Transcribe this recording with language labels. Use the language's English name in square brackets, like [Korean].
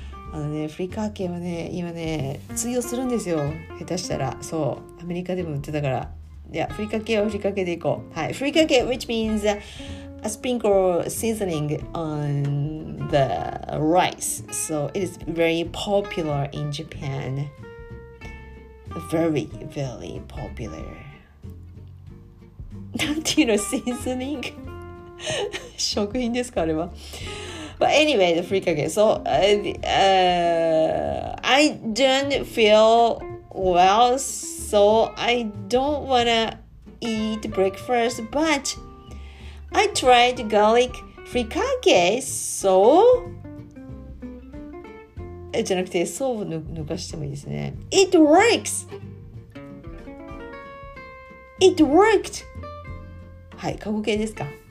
[Japanese] あのね、ふりかけはね今ね通用するんですよ下手したら。そうアメリカでも売ってたから。いやふりかけはふりかけでいこう。 [English] はいふりかけ which means a sprinkle seasoning on the rice. So it is very popular in Japan. Very very popular. [Japanese] なんていうのシーズニング食品ですかあれは。 [English] But anyway, the frikake. So, I don't feel well, so I don't wanna eat breakfast. But I tried garlic frikake. [Japanese] So, じゃなくて、そう抜かしてもいいですね。 [English] It works. It worked. [Japanese] はい、過去形ですか。